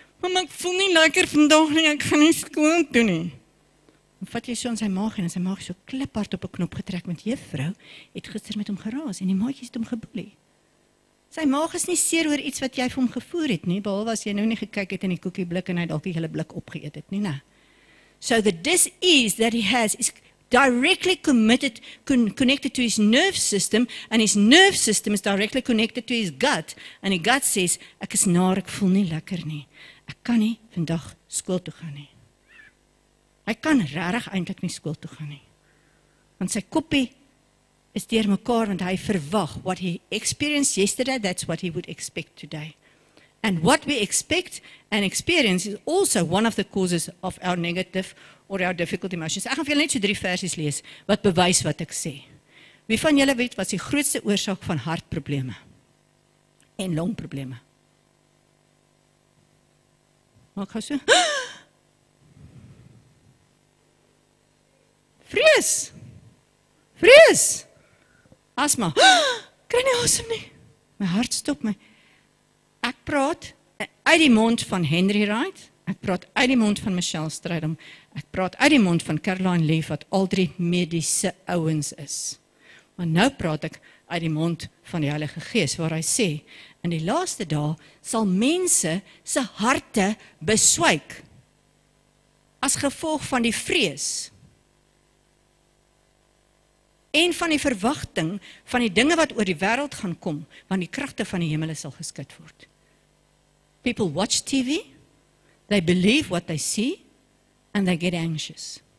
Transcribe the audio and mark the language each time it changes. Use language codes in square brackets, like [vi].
[af] Mam, ek voel nie lekker vandag nie, ek gaan nie skoon toe nie. Vat jy so in sy maag en sy maag so kliphard op 'n knop getrek, want juffrou het gister met hom geraas en die maatjies het hom geboelie. Sy maag is nie seer oor iets wat jy vir hom gevoer het nie, behalwe as jy nou nie gekyk het in die koekieblik en hy dalk die hele blik opgeëet het nie, ne. [en] So the disease that he has is directly committed, connected to his nerve system, and his nerve system is directly connected to his gut, and his gut says, [af] ek is naar, ek voel nie lekker nie. Ek kan nie vandag skool toe gaan nie. Hy kan rarig eintlik nie skool toe gaan nie. Want sy koppie is deur mekaar, want hy verwag [en] what he experienced yesterday, that's what he would expect today. And what we expect and experience is also one of the causes of our negative or our difficult emotions. [af] Ek gaan vir julle net so 3 versies lees, wat bewys wat ek sê. Wie van julle weet wat die grootste oorsaak van hartprobleme en longprobleme? Maak gou so. Vrees. Vrees. Asma. Kry nie asem nie. My hart stop my. Ek praat uit die mond van Henry Wright. Ek praat uit die mond van Michelle Strydom. Ek praat uit die mond van Caroline Leaf, wat al 3 mediese ouens is. Maar nou praat ek uit die mond van die Heilige Gees, waar hy sê, in die laaste dae sal mense se harte beswyk as gevolg van die vrees en van die verwagting van die dinge wat oor die wêreld gaan kom, want die kragte van die hemele sal geskud word. [en] People watch TV, they believe what they see, and they get anxious.